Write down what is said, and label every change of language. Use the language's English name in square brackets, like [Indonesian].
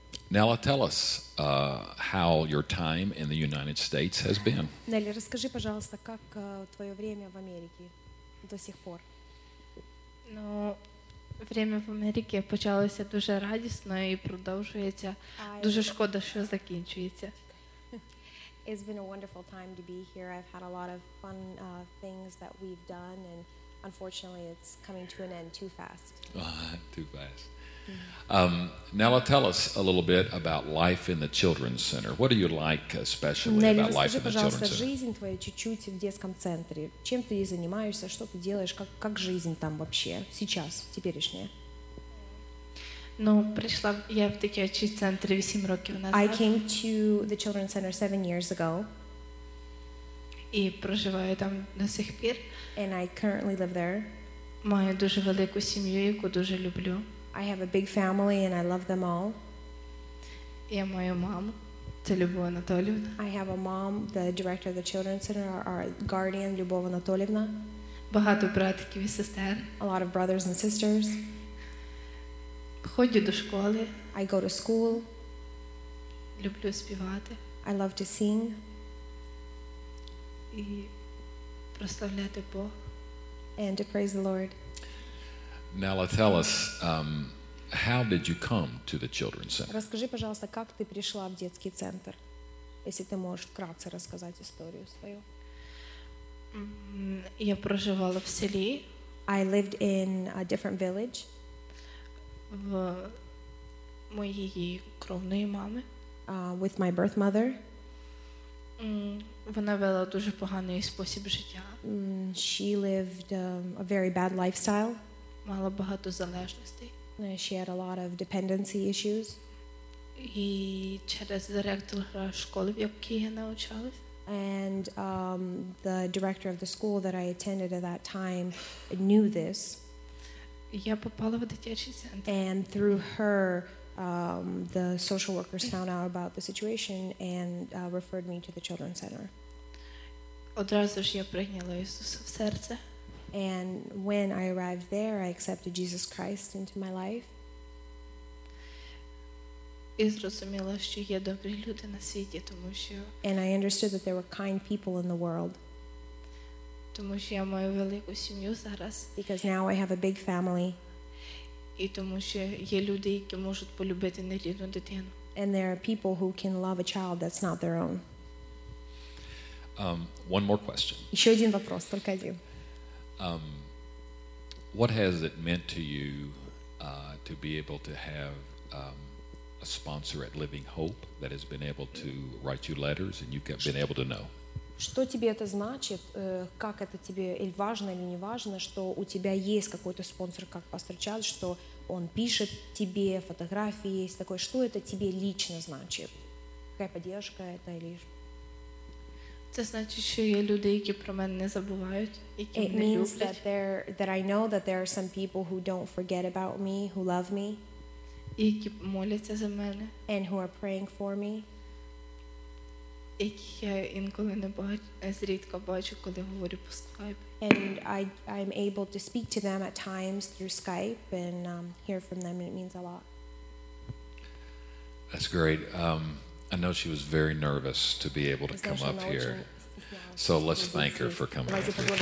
[English] Nella, tell us how your time in the United States has been. [Russian] Nella, расскажи, пожалуйста, как твое время в Америке до сих пор. [Ukrainian] Ну, [Russian] время в Америке [Ukrainian] почалося дуже радісно і продовжується. Дуже шкода, що закінчується. [English] It's been a wonderful time to be here. I've had a lot of fun things that we've done, and unfortunately, it's coming to an end too fast. Too fast. Nella, tell us a little bit about life in the Children's Center. What do you like especially about life in the Children's Center? [Russian] Жизнь твою чуть-чуть в детском центре. Чем ты занимаешься, что ты делаешь, как жизнь там вообще сейчас, теперешняя? [Ukrainian] Ну, прийшла я в дитячий центр 8 років назад. [English] I came to the Children's Center 7 years ago. [Ukrainian] І проживаю там до сих пір. [English] And I currently live there. [Ukrainian] Маю дуже велику сім'ю, яку дуже люблю. [English] I have a big family and I love them all. [Ukrainian] Я маю маму, це Любов Анатоліївна. [English] I have a mom, the director of the Children's Center, our guardian, Любов Анатоліївна. [Ukrainian] Багато братів і сестер. [English] A lot of brothers and sisters. [Ukrainian] Ходжу до школи. [English] I go to school. [Ukrainian] Люблю співати. [English] I love to sing. [Ukrainian] І прославляти Бога. [English] And to praise the Lord. Nella, tell us, how did you come to the Children's Center? [Russian] Расскажи, пожалуйста, как ты пришла в детский центр, если ты можешь вкратце рассказать историю свою. [Ukrainian] Я проживала в селі. [English] I lived in a different village. [Ukrainian] В моєї кровної мами. [English] With my birth mother. [Ukrainian] Вона вела дуже поганий спосіб життя. [English] She lived a very bad lifestyle. [Ukrainian] Мала багато залежностей. [English] She had a lot of dependency issues. [Ukrainian] І через директора школи, в якій я навчалась. [English] And the director of the school that I attended at that time knew this. [Ukrainian] Я попала в дитячий центр. [English] And through her, the social workers found out about the situation and referred me to the children's center. [Ukrainian] Одразу ж я прийняла Ісуса в серце. [English] And when I arrived there, I accepted Jesus Christ into my life. And I understood that there were kind people in the world. Because now I have a big family. And there are people who can love a child that's not their own. One more question. [Russian] Еще один вопрос, только один. [English] What has it meant to you to be able to have a sponsor at Living Hope that has been able to write you letters and you've been able to know? [Russian] Что тебе это значит? Как это тебе, или важно, или не важно, что у тебя есть какой-то спонсор, как пастор Чарльз, что он пишет тебе, фотографии есть такое. Что это тебе лично значит? Какая поддержка это или... [Ukrainian] Це значить, що є люди, які про мене не забувають, які мене люблять. [English] It means that I know that there are some people who don't forget about me, who love me. [Ukrainian] Які моляться за мене. [English] And who are praying for me. [Ukrainian] Які я інколи не бачу, зрідко бачу, коли говорю по Skype. [English] And I'm able to speak to them at times through Skype and hear from them, and it means a lot. That's great. I know she was very nervous to be able to come up here. So let's thank her for coming up here.